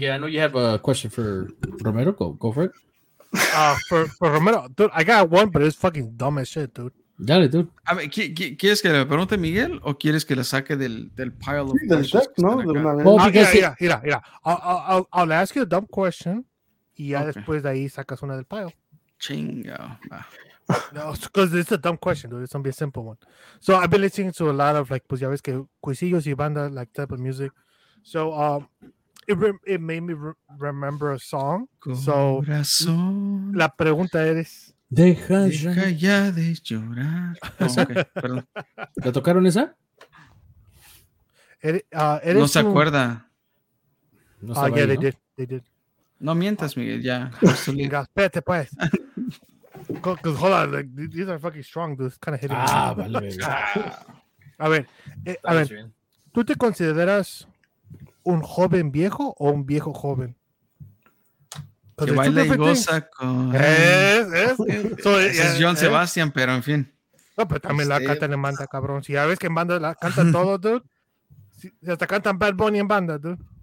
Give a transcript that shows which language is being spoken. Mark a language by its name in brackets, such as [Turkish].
[English] Miguel, I know you have a question for Romero. Go for it. For Romero, dude, I got one, but it's fucking dumb as shit, dude. [Spanish] Dale, dude. A ver, ¿quieres que le pregunte a Miguel o quieres que la saque del [English] pile of [Spanish] questions? Sí, del deck, ¿no? De una vez. [English] Well, [Spanish] mira. [English] I'll ask you a dumb question [Spanish] y ya [English] okay. [Spanish] Después de ahí sacas una del pile. Chinga. [English] No, because it's a dumb question, dude. It's gonna be a simple one. So I've been listening to a lot of, like, [Spanish] pues ya ves que [English] cuisillos y banda, like, type of music. So, It made me remember a song. [Spanish] Corazón, so, la pregunta es: Deja ya de llorar. [English] Oh, okay. [Spanish] Perdón. ¿La tocaron esa? No se acuerda. [English] Yeah, they did. [Spanish] No mientas, Miguel. Ya. Espérate, pues. [English] Because hold on, like, these are fucking strong, dude. It's kind of hitting. [Spanish] Ah, vale, vale. A ver. ¿Tú te consideras un joven viejo o un viejo joven? Que baila y goza con... Es John Sebastian, pero en fin. No, pero también la canta en banda, cabrón. Si ya ves que en banda la canta todo, dude. Si hasta cantan Bad Bunny en banda, dude.